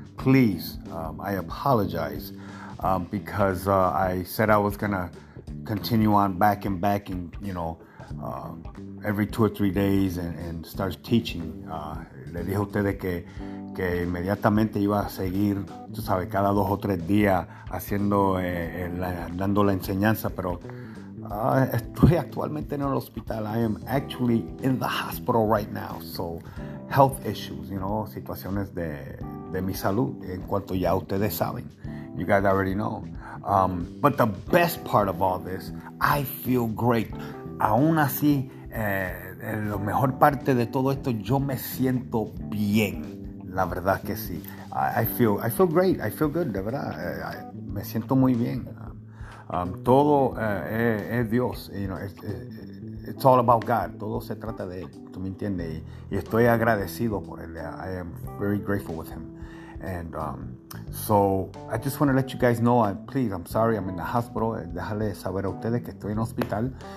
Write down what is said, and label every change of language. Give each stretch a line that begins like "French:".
English: Please, I apologize because I said I was going to continue on back and back and, you know, every two or three days and start teaching.
Spanish: Le dije a ustedes que inmediatamente iba a seguir, tú sabes, cada dos o tres días haciendo, dando la enseñanza, pero estoy actualmente en el hospital.
English: I am actually in the hospital right now. So, health issues, you know,
Spanish: situaciones de mi salud, en cuanto ya ustedes saben.
English: You guys already know. But the best part of all this, I feel great.
Spanish: Aún así, la mejor parte de todo esto, yo me siento bien. La verdad que sí.
English: I feel great. I feel good,
Spanish: de verdad. Me siento muy bien. Todo es Dios.
English: You know, it's all about God.
Spanish: Todo se trata de Él. ¿Tú me entiendes? Y estoy agradecido por Él.
English: I am very grateful with Him. And so I just want to let you guys know, please, I'm sorry, I'm in the hospital.
Spanish: Déjale saber a ustedes que estoy en el hospital.